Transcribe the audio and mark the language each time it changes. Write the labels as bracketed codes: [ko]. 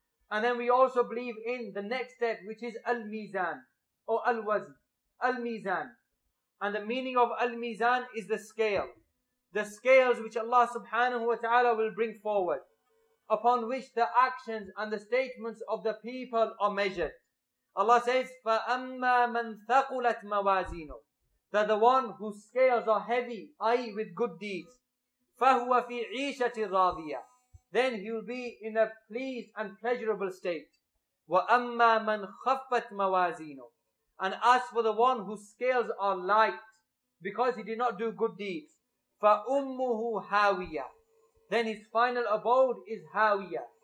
[en] And then we also believe in the next step, which is al-mizan or al-wazn. Al-mizan. And the meaning of al-mizan is the scale. The scales which Allah subhanahu wa ta'ala will bring forward, upon which the actions and the statements of the people are measured. Allah says, [ar] فَأَمَّا مَنْ ثَقُلَتْ مَوَازِينُهُ. [en] That the one whose scales are heavy, i.e. with good deeds, [ar] فَهُوَ فِي عِيشَةِ رَاضِيَةٍ. [en] Then he will be in a pleased and pleasurable state. [ar] وَأَمَّا مَنْ خَفَّتْ مَوَازِينُهُ. [en] And as for the one whose scales are light, because he did not do good deeds, [ar] فَأُمُّهُ هَاوِيَةٍ. [en] Then his final abode is هَاوِيَةٍ.